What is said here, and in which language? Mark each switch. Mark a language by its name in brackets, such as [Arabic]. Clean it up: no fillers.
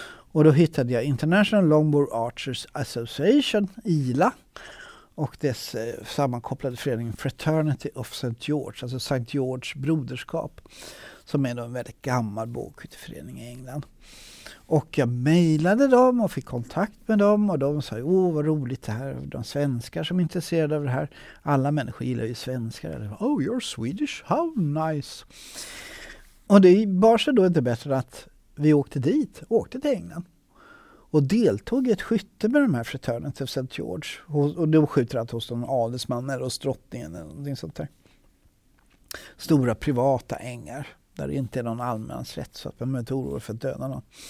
[Swedish] Och då hittade jag International Longbow Archers Association, ILA, och dess sammankopplade förening Fraternity of St. George, alltså St. George Broderskap, som är en väldigt gammal bågskytteförening i England. Och jag mejlade dem och fick kontakt med dem och de sa, åh vad roligt det här, de svenskar som är intresserade av det här. Alla människor gillar ju svenskar. [English] Eller, oh, you're Swedish, how nice. [Swedish] Och det bar sig då inte bättre att vi åkte dit, åkte till England. Och deltog i ett skytte med de här fraternen till St. George. Och de skjuter att hos någon adelsman eller hos drottningen eller någonting sånt där. Stora privata ängar. Där det inte är någon allmänhetsrätt så att man inte oroar för att döda någon.